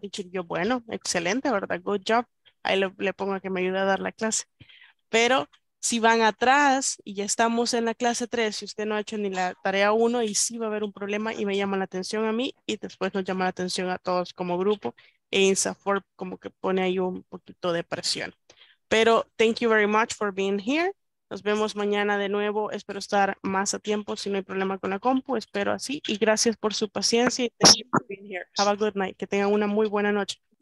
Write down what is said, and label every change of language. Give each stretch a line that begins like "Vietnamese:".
Spanish: Yo, bueno, excelente, ¿verdad?
English: Good job.
Spanish: Ahí le pongo a que me ayude a dar la clase. Pero si van atrás y ya estamos en la clase 3, si usted no ha hecho ni la tarea 1 y sí va a haber un problema y me llama la atención a mí y después nos llama la atención a todos como grupo, e InstaFor como que pone ahí un poquito de presión.
English: Pero thank you very much for being here.
Spanish: Nos vemos mañana de nuevo. Espero estar más a tiempo si no hay problema con la compu. Espero así. Y gracias por su paciencia.
English: Thank you for being here. Have a good night.
Spanish: Que tengan una muy buena noche.